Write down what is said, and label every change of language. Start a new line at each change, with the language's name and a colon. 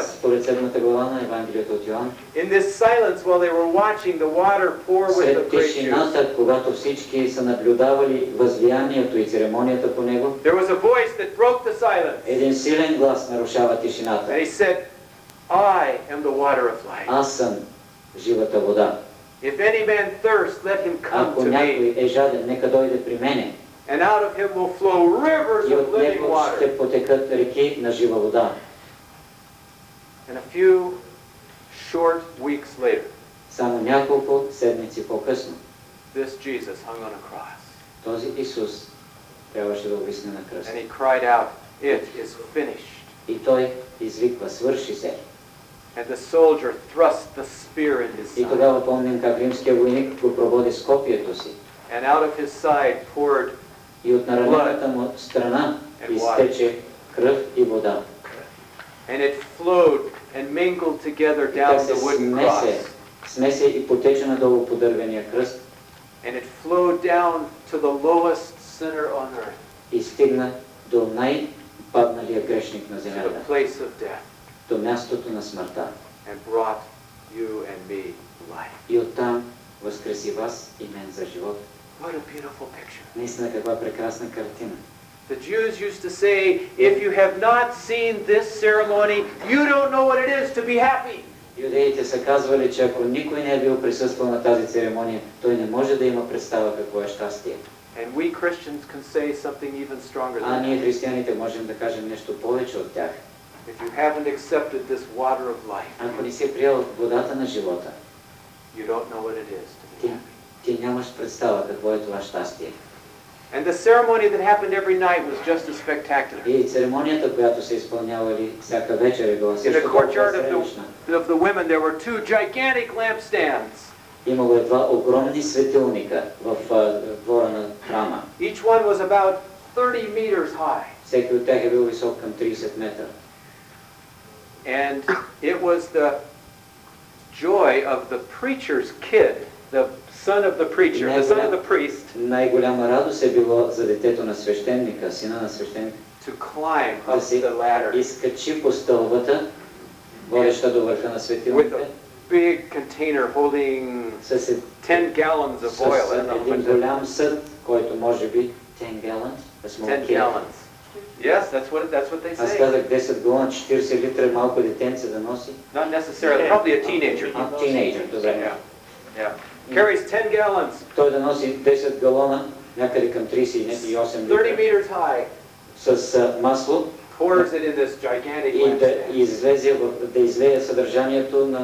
Bulgarian: Според седмата глава на Евангелието от Йоан.
English: In this silence while they were watching the water pour with the grape juice.
Bulgarian: След тишината, когато всички са наблюдавали възлиянието и церемонията по него.
English: There was a voice that broke the silence.
Bulgarian: Един силен глас нарушава тишината.
English: And he said, I am the water of life.
Bulgarian: Аз съм живата вода.
English: If any man thirst, let him come to me.
Bulgarian: Ако някой е жаден, нека дойде при мене.
English: And out of him will flow rivers of living water.
Bulgarian: Ще потекат реки на жива вода.
English: And a few short weeks later.
Bulgarian: Само няколко седмици по-късно.
English: This Jesus hung on a cross.
Bulgarian: Този Исус трябваше да обвисне на кръст.
English: And he cried out, "It is finished."
Bulgarian: И той извиква, свърши се.
English: And the soldier thrust the spear in his side.
Bulgarian: И тогава помним как римският войник го прободи с копието си.
English: And out of his side poured
Bulgarian: и от наранената му страна изтече кръв и вода.
English: And it flowed and mingled together down the wooden cross.
Bulgarian: Смесе и потече надолу по дървения кръст.
English: And it flowed down to the lowest sinner on earth.
Bulgarian: И стигна до най-падналия грешник на земята.
English: To the place of death.
Bulgarian: До мястото на смъртта.
English: And brought you and me life.
Bulgarian: И оттам възкреси вас и мен за живот.
English: What a beautiful picture.
Bulgarian: Наистина каква прекрасна картина.
English: The Jews used to say, if you have not seen this ceremony, you don't know what it is to be happy.
Bulgarian: Юдеите са казвали, че ако никой не е бил присъствал на тази церемония, той не може да има представа какво е щастие.
English: And we Christians can say something even stronger than that.
Bulgarian: А ние християните можем да кажем нещо повече от тях.
English: If you haven't accepted this water of life,
Bulgarian: ако не си е приел водата на живота,
English: you don't know what it is to be happy.
Bulgarian: Ти нямаш представа какво е това щастие.
English: And the ceremony that happened every night was just as spectacular.
Bulgarian: И церемонията, която се изпълнявали всяка вечер, е била също толкова средишна.
English: Of the women, there were two gigantic lampstands.
Bulgarian: Имало два огромни светилника в двора на храма.
English: Each one was about 30 meters high.
Bulgarian: Всеки от тях е бил висок към 30 метра.
English: And it was the joy of the preacher's kid, the son of the preacher, the son of the priest.
Bulgarian: Най-голяма радост е било за детето на свещеника, сина на свещеника.
English: To climb up the ladder.
Bulgarian: Да се изкачи по стълбата. Водеща до върха на светилника.
English: With a big container holding 10 gallons of oil.
Bulgarian: С един голям съд, който може би
English: 10 gallons. 10 gallons. Yes, that's what they say.
Bulgarian: Аз казах 10 галона, 40 литра, малко детенце да носи.
English: Not necessarily, yeah. Probably a teenager. A teenager,
Bulgarian: добре.
English: Yeah. Carries 10 gallons.
Bulgarian: Той да носи 10 галона, някъде към 38 литра.
English: 30 meters high.
Bulgarian: С масло.
English: Pours it in this gigantic lampstand.